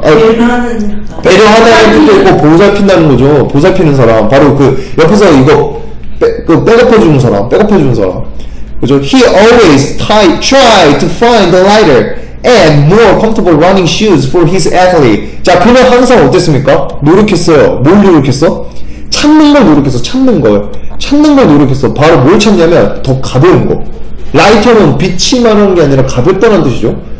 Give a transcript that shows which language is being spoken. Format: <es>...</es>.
<ko>배려하다는 뜻도 있고 보살핀다는 거죠. 보살피는 사람. 바로 그 옆에서 이거 백업해주는 사람. 그죠?</ko> <en>He always tried to find the lighter and more comfortable running shoes for his athlete.</en> <ko>자, 그는 항상 어땠습니까? 노력했어요. 뭘 노력했어? 찾는 걸 노력했어. 바로 뭘 찾냐면 더 가벼운 거. 라이터는 빛이 많은 게 아니라 가볍다는 뜻이죠.</ko>